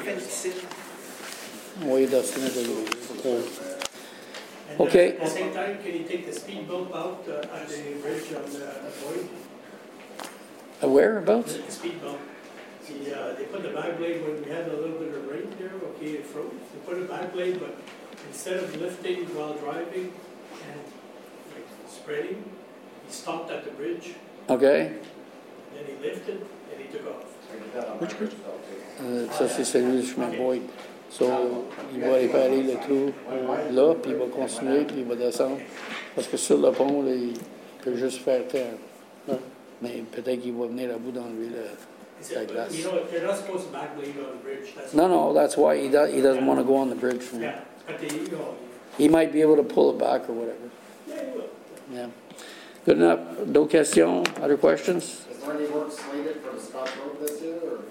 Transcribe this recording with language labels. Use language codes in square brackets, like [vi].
[fr] C'est fait ici. Oui, dos, c'est un dos. [en] Okay. At the same time, can you take the speed bump out at the bridge on the boy? Whereabouts? The speed bump. They put the back blade when we had a little bit of rain there, okay, it froze. They put a back blade, but instead of lifting while driving and spreading, he stopped at the bridge. Okay. Then he lifted and he took off. Which bridge? [fr] Ça, c'est celui du chemin Boyd. So, il va réparer le tout là, puis il va continuer, puis il va descendre. Parce que sur le pont, il peut juste faire terre. Mais peut-être qu'il va venir à bout d'enlever la glace. [en] You know, they're not supposed to back blade on the bridge. That's no, that's why he doesn't want to go on the bridge. Yeah, but he might be able to pull it back or whatever. Yeah, he will. Yeah. Good enough. No question? Other questions? Is there any work slated for a stop road this year? Or?